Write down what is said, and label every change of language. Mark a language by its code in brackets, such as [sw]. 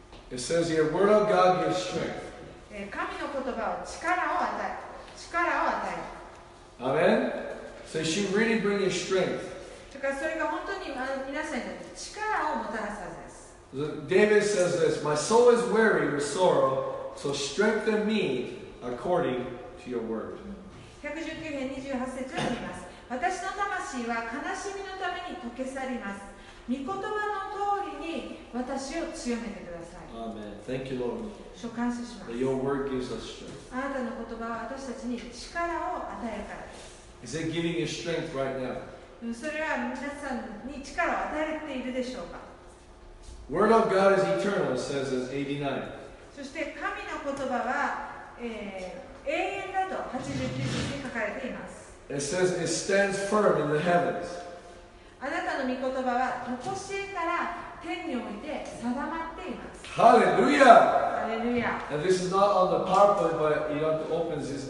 [en] It says here, word of God gives strength. [ja] 神の言葉を力を与える。 [en] Amen? So she really brings you strength. [ja] だからそれが本当に皆さんに力をもたらすはずです。 [en] David says this, My soul is weary with sorrow, so strengthen me according to your word. [ja] 119編28節を読みます。私の魂は悲しみのために溶け去ります。御言葉の通りに私を強めてください。 [en] Amen. Thank you, Lord. [ja] 主感謝します。 [en] Your word gives us strength. [ja] あなたの言葉は私たちに力を与えるからです。 [en] Is it giving you strength right now? [ja] それは皆さんに力を与えているでしょうか。 [en] Word of God is eternal, says in 89. [ja] そして神の言葉は、永遠だと89節に書かれています。 [en] It says it stands firm in the heavens. [ja] あなたの御言葉は常しえから天において定まっています。 [en] Hallelujah! Hallelujah! And this is not on the PowerPoint, but you have to open this.